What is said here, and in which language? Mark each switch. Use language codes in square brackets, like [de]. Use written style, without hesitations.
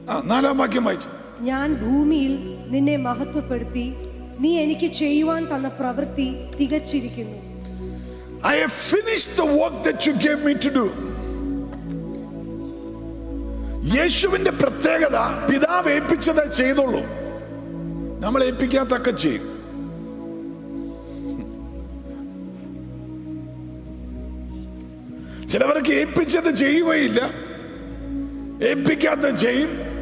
[ml] നാലാം വാക്യം വായിച്ചു. ഞാൻ ഭൂമിയിൽ നിന്നെ മഹത്വപ്പെടുത്തി, നീ എനിക്ക് ചെയ്യുവാൻ തന്ന പ്രവൃത്തി തികച്ചിരിക്കുന്നു. [en] I have finished the work that you gave me to do. [ml] യേശുവിന്റെ പ്രത്യേകത പിതാവ് ഏൽപ്പിച്ചത് ചെയ്തോളൂ, നമ്മൾ ഏൽപ്പിക്കാത്തൊക്കെ ചെയ്യും. ചിലവർക്ക് ഏൽപ്പിച്ചത് ചെയ്യുകയില്ല, ഏൽപ്പിക്കാത്ത ചെയ്യും.